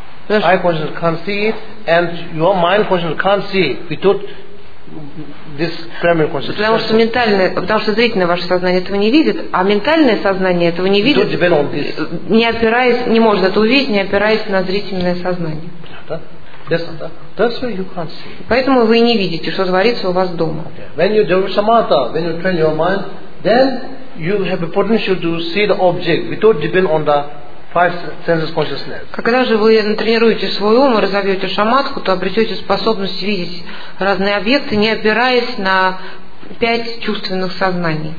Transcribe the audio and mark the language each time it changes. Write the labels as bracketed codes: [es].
[en] Eye consciousness can't see it, and your mind consciousness can't see without this primary consciousness. [ru] Потому что ментальное, потому что зрительное ваше сознание этого не видит, а ментальное сознание этого не видит, не опираясь, не может это увидеть, не опираясь на зрительное сознание. [en] That's why you can't see. [ru] Поэтому вы не видите, что творится у вас дома. [en] When you develop samatha, when you train your mind, then you have a potential to see the object without depend on the five senses consciousness. [ru] Когда же вы натренируете свой ум и разовьете шамадху, то обретете способность видеть разные объекты, не опираясь на пять чувственных сознаний.